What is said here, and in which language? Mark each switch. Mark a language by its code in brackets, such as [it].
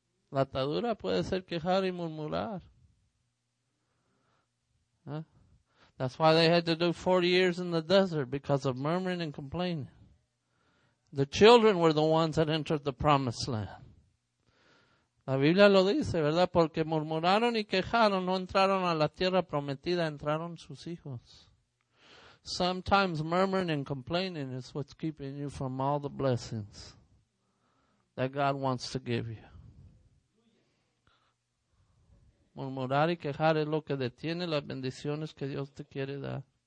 [es] La atadura puede ser quejar y murmurar. Huh? [en] That's why they had to do 40 years in the desert, because of murmuring and complaining. The children were the ones that entered the promised land. [es] La Biblia lo dice, ¿verdad? Porque murmuraron y quejaron, no entraron a la tierra prometida, entraron sus hijos. [en] Sometimes murmuring and complaining is what's keeping you from all the blessings that God wants to give you. [es] Murmurar y quejar es lo que detiene las bendiciones que Dios te quiere dar.